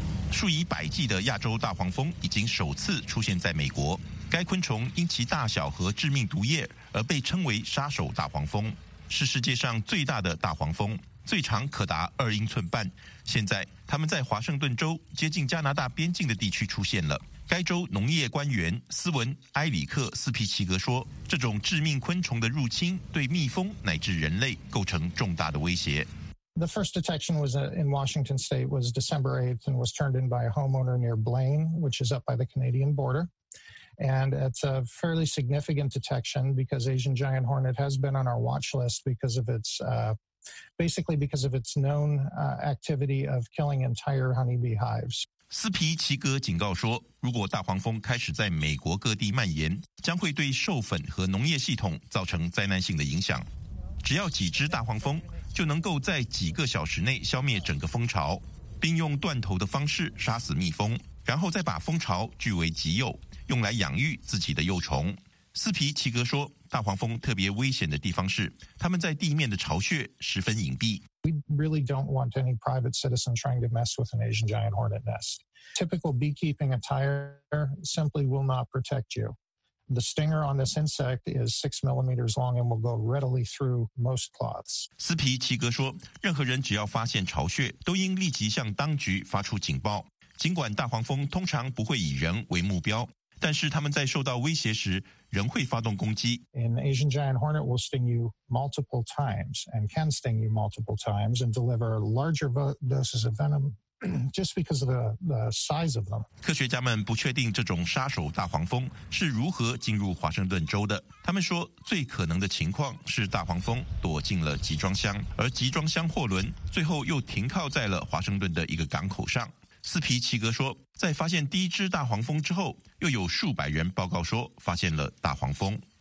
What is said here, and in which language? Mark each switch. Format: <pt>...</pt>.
<zh>数以百计的亚洲大黄蜂已经首次出现在美国，该昆虫因其大小和致命毒液而被称为杀手大黄蜂，是世界上最大的大黄蜂，最长可达2英寸半。现在它们在华盛顿州接近加拿大边境的地区出现了。该州农业官员斯文·埃里克·斯皮奇格说，这种致命昆虫的入侵对蜜蜂乃至人类构成重大的威胁。</zh> <en>The first detection was in Washington State was December 8th and was turned in by a homeowner near Blaine, which is up by the Canadian border. And it's a fairly significant detection because Asian giant hornet has been on our watch list because of its, basically because of its known activity of killing entire honeybee hives.</en> <zh>斯皮奇格警告说，如果大黄蜂开始在美国各地蔓延，将会对授粉和农业系统造成灾难性的影响。只要几只大黄蜂就能够在几个小时内消灭整个蜂巢，并用断头的方式杀死蜜蜂，然后再把蜂巢据为己有，用来养育自己的幼虫。斯皮奇格说，大黄蜂特别危险的地方是它们在地面的巢穴十分隐蔽。</zh> <en>We really don't want any private citizen trying to mess with an Asian giant hornet nest. Typical beekeeping attire simply will not protect you. The stinger on this insect is 6 millimeters long and will go readily through most cloths.</en> <zh>斯皮奇格说，任何人只要发现巢穴都应立即向当局发出警报。尽管大黄蜂通常不会以人为目标，但是他们在受到威胁时仍会发动攻击。</zh> <en>An Asian giant hornet will sting you multiple times and can sting you multiple times and deliver larger doses of venom just because of the size of them.</en> <zh>科学家们不确定这种杀手大黄蜂是如何进入华盛顿州的。他们说最可能的情况是大黄蜂躲进了集装箱，而集装箱货轮最后又停靠在了华盛顿的一个港口上。斯皮奇格说，在发现第一只大黄蜂之后，又有数百人报告说发现了大黄蜂。</zh>